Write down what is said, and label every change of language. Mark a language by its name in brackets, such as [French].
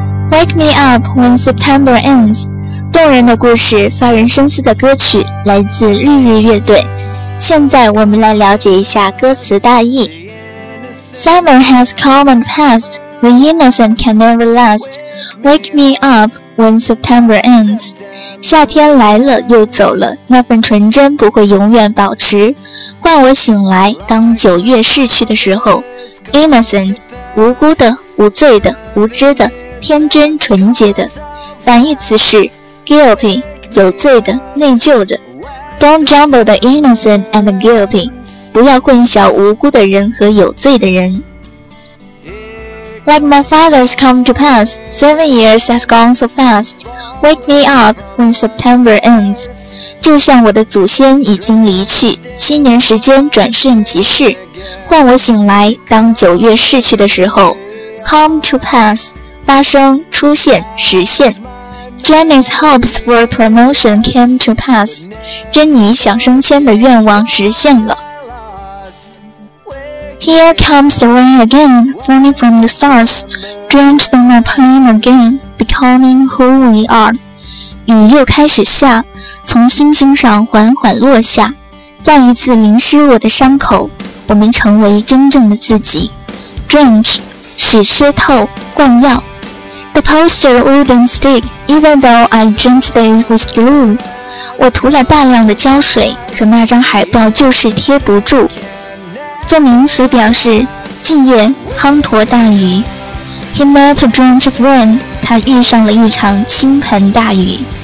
[English] Wake me up when September ends， [Chinese] 动人的故事，发人深思的歌曲，来自绿日乐队。现在我们来了解一下歌词大意。 [English] Summer has come and passed, the innocent can never last, wake me up when September ends。 [Chinese] 夏天来了又走了，那份纯真不会永远保持，换我醒来，当九月逝去的时候。 Innocent， 无辜的，无罪的，无知的，天真纯洁的，反义词是 guilty， 有罪的，内疚的。 [English] Don't jumble the innocent and the guilty， [Chinese] 不要混淆无辜的人和有罪的人。 [English] Like my father's come to pass, 7 years has gone so fast, wake me up when September ends， [Chinese] 就像我的祖先已经离去，7年时间转瞬即逝，换我醒来，当九月逝去的时候。 Come to pass，发生，出现，实现。 [English] Jenny's hopes for promotion came to pass， [Chinese] 珍妮想升迁的愿望实现了。 [English] Here comes the rain again, falling from the stars, drenched on my pain again, becoming who we are。 [Chinese] 雨又开始下，从星星上缓缓落下，再一次淋湿我的伤口，我们成为真正的自己。 Drench， 使湿透，灌药。 [English] The poster wouldn't stick, even though I drenched it with glue. [Chinese] 我涂了大量的胶水，可那张海报就是贴不住。做名词表示，静夜滂沱大雨。 [English] He met a drench of rain. [Chinese] 他遇上了一场倾盆大雨。